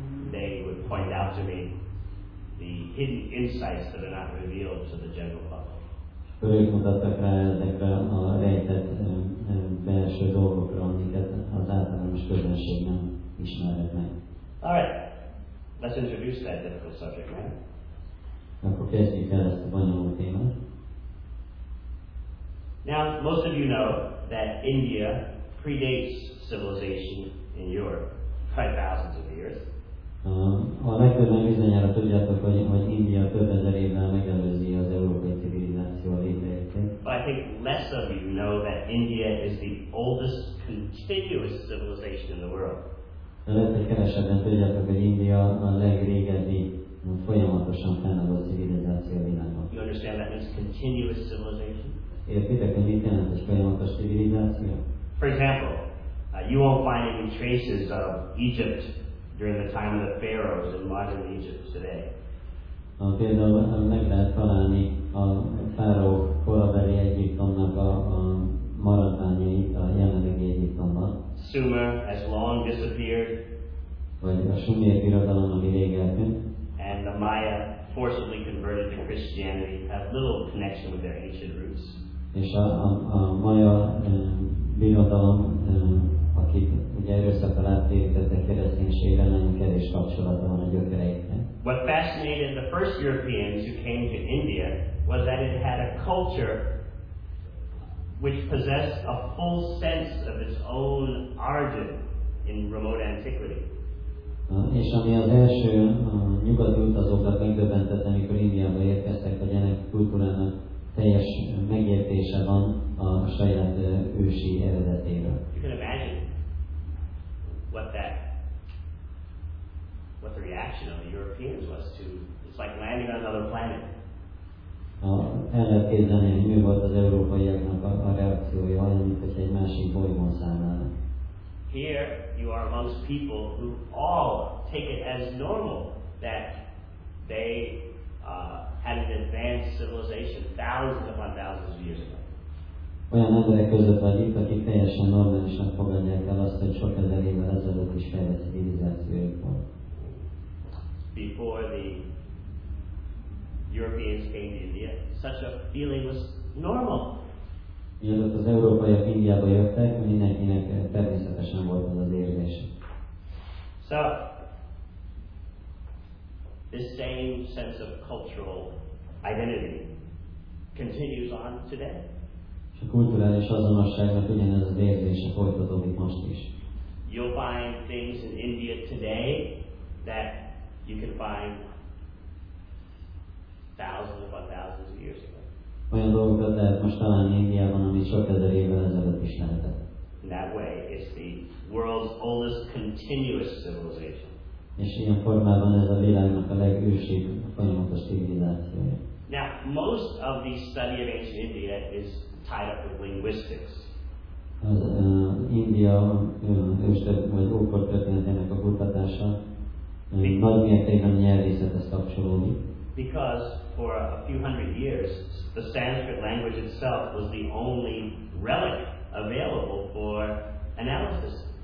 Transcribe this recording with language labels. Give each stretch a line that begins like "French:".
English: They would point out to me the hidden insights that are not revealed to the general public.
Hungarian: Ők mutattak rá ezekre a rejtett belső dolgokra, amiket az általános közönség nem ismerhet meg.
English: Alright, let's introduce that difficult subject, man.
Hungarian: Akkor kezdjük el ezt a bonyolult témát.
English: Now, most of you know that India predates civilization in Europe by thousands of years.
Hungarian: A legtöbben bizonyára tudjátok, hogy India több ezer évvel megelőzi az európai civilizáció létrejöttét.
English: But I think less of you know that India is the oldest continuous civilization in the world.
Hungarian: Lehet, hogy kevesebben tudjátok, hogy India a legrégebbi folyamatosan fennálló civilizáció a világban.
English: You understand that means continuous civilization?
Hungarian: Értitek, hogy mit jelent ez folyamatos civilizáció?
English: For example, you won't find any traces of Egypt during the time of the pharaohs in modern Egypt today.
Hungarian: Például meg lehet találni a fáraó korabeli Egyiptomnak a maradványait a jelenlegi Egyiptomban.
English: Sumer has long disappeared.
Hungarian: Vagy a Sumer birodalom, ami rég eltűnt.
English: And the Maya forcibly converted to Christianity have little connection with their ancient roots.
Hungarian: És a Maya birodalom, akit ugye erőszakkal áttérítette kereszténységre, nagyon kevés kapcsolata van a gyökereikkel.
English: What fascinated the first Europeans who came to India was that it had a culture which possessed a full sense of its own origin in remote antiquity.
Hungarian: És ami az első nyugati utazókat megdöbbentett, amikor Indiába érkeztek, hogy ennek kultúrának teljes megértése van a saját ősi eredetéről.
English: You can imagine what the reaction of the Europeans was to, it's like landing on another planet.
Hungarian: El lehet képzelni, hogy mi volt az európaiaknak a reakciója, olyan, mint hogy egy másik bolygón számára.
English: Here you are amongst people who all take it as normal that they had an advanced civilization thousands upon thousands of years ago.
Hungarian: Olyan emberek között vagyunk, akik teljesen normálisan fogadják el azt, hogy sok ezer évvel ezelőtt is fejlett civilizációjuk volt.
English: Before the Europeans came to India, such a feeling was normal.
Hungarian: Mielőtt az európaiak Indiába jöttek, mindenkinek természetesen volt az érzése.
English: So, This same sense of cultural identity continues on today.
Hungarian: A kulturális azonosságnak ugyanez az érzése folytatódik most is.
English: You'll find things in India today that you can find thousands upon thousands of years ago.
Hungarian: Olyan dolgokat lehet most találni Indiában, ami sok ezer évvel ezelőtt is lehetett.
English: That way it's the world's oldest continuous civilization.
Hungarian: És ilyen formában ez a világnak a legősibb, a folyamatos civilizációja.
English: Now, most of the study of ancient India is tied up with linguistics.
Hungarian: Az India őstörténetének, vagy ókor történetének a kutatása nagy mértékben nyelvészethez kapcsolódik.
English: Because for a few hundred years, the Sanskrit language itself was the only relic available for analysis.